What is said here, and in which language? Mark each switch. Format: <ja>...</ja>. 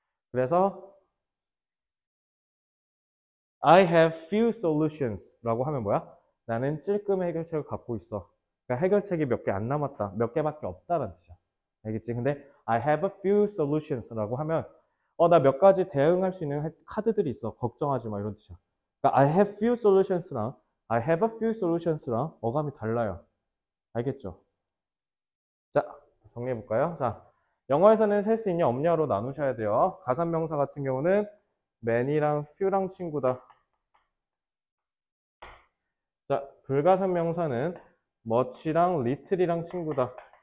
<en>그래서 I have few solutions</en> <ko>라고 하면 뭐야? 나는 찔끔의 해결책을 갖고 있어. 그러니까 해결책이 몇개안 남았다. 몇 개밖에 없다라는 뜻이야. 알겠지? 근데</ko> <en>I have a few solutions</en> <ko>라고 하면 나몇 가지 대응할 수 있는 카드들이 있어. 걱정하지 마. 이런 뜻이야.</ko> <en>그러니까 I have few solutions 랑 I have a few solutions</en> <ko>랑 어감이 달라요. 알겠죠? 자, 정리해볼까요? 자, 영어에서는 셀수 있냐, 없냐로 나누셔야 돼요. 가산명사 같은 경우는 man이랑 few랑 친구다. 자, 불가산명사는 much이랑 little이랑 친구다.</ko>